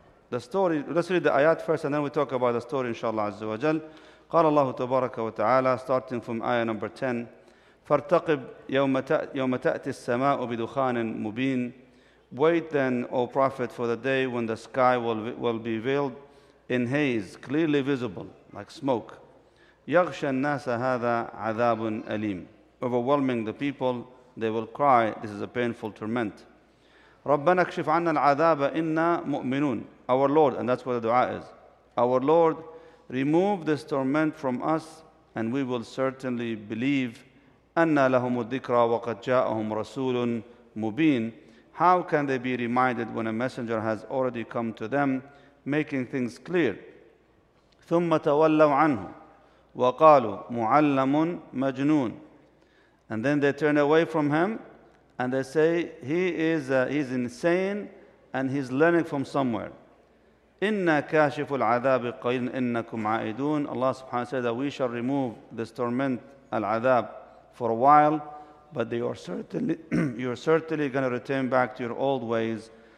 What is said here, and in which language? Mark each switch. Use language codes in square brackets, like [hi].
[en] The story, let's read the ayat first and then we talk about the story inshallah azza wa jal. [ar] قال الله تبارك وتعالى, [en] starting from ayah number 10, [ar] فارتقب يوم تأتي السماء بدخان مبين. [en] Wait then, O Prophet, for the day when the sky will be veiled in haze, clearly visible, like smoke. [ar] يغشى الناس هذا عذاب أليم. [en] Overwhelming the people, they will cry, this is a painful torment. [ar] ربنا اكشف عنا العذاب إنا مؤمنون. [en] Our Lord, and that's what the dua is. Our Lord, remove this torment from us, and we will certainly believe. [ar] أنا لهم الذكرى وقد جاءهم رسول مبين. [en] How can they be reminded when a messenger has already come to them, making things clear? [ar] ثم تولوا عنه وقالوا معلم مجنون. [en] And then they turn away from him and they say he's insane and he's learning from somewhere. [ar] Inna kashifu al-'adhab qalin innakum 'a'idun. [en] Allah subhanahu said that we shall remove this torment al-'adhab for a while, but you're certainly going to return back to your old ways.